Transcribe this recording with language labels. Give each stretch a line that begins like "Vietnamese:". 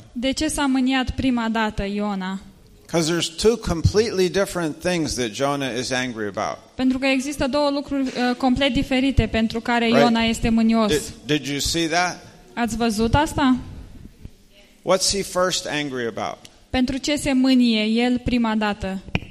Romanian: De ce s-a mâniat prima dată Iona?
English: Because there's two completely different things that Jonah is angry about.
Romanian: Pentru că există două lucruri complet diferite pentru care Iona este mânios.
English: Did you see that?
Romanian: Ați văzut asta?
English: What's he first angry about?
Romanian: Pentru ce se mânie el prima dată?